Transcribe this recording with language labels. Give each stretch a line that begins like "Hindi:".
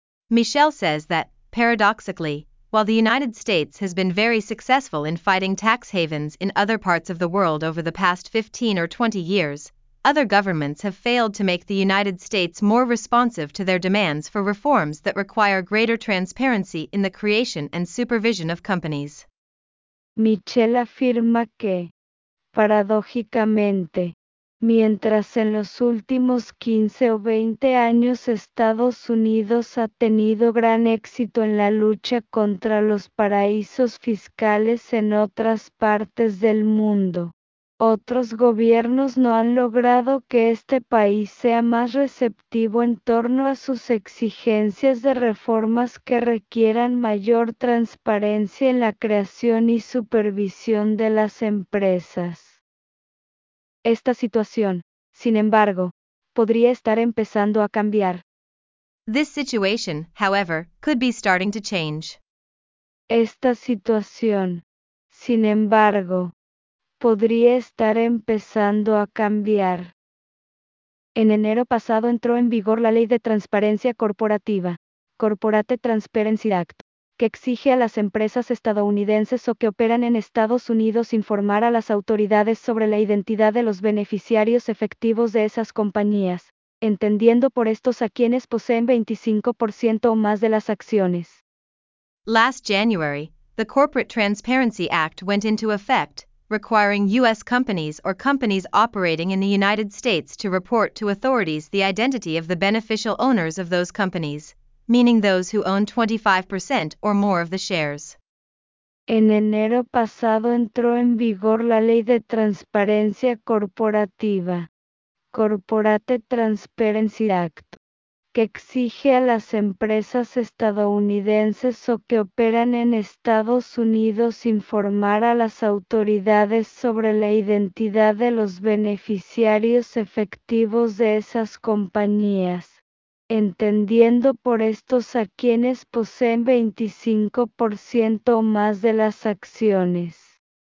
English: Michelle says that, paradoxically, while the United States has been very successful in fighting tax havens in other parts of the world over the past 15 or 20 years, other governments have failed to make the United States more responsive to their demands for reforms that require greater transparency in the creation and supervision of companies.
Spanish: Michelle afirma que, paradójicamente, mientras en los últimos 15 o 20 años Estados Unidos ha tenido gran éxito en la lucha contra los paraísos fiscales en otras partes del mundo, otros gobiernos no han logrado que este país sea más receptivo en torno a sus exigencias de reformas que requieran mayor transparencia en la creación y supervisión de las empresas. Esta situación, sin embargo, podría estar empezando a cambiar.
English: This situation, however, could be starting to change.
Spanish: Esta situación, sin embargo, podría estar empezando a cambiar. En enero pasado entró en vigor la Ley de Transparencia Corporativa, Corporate Transparency Act, que exige a las empresas estadounidenses o que operan en Estados Unidos informar a las autoridades sobre la identidad de los beneficiarios efectivos de esas compañías, entendiendo por estos a quienes poseen 25% o más de las acciones.
English: Last January, the Corporate Transparency Act went into effect, requiring U.S. companies or companies operating in the United States to report to authorities the identity of the beneficial owners of those companies, meaning those who own 25% or more of the shares.
Spanish: En enero pasado entró en vigor la Ley de Transparencia Corporativa, Corporate Transparency Act, que exige a las empresas estadounidenses o que operan en Estados Unidos informar a las autoridades sobre la identidad de los beneficiarios efectivos de esas compañías, entendiendo por estos a quienes poseen 25% o más de las acciones.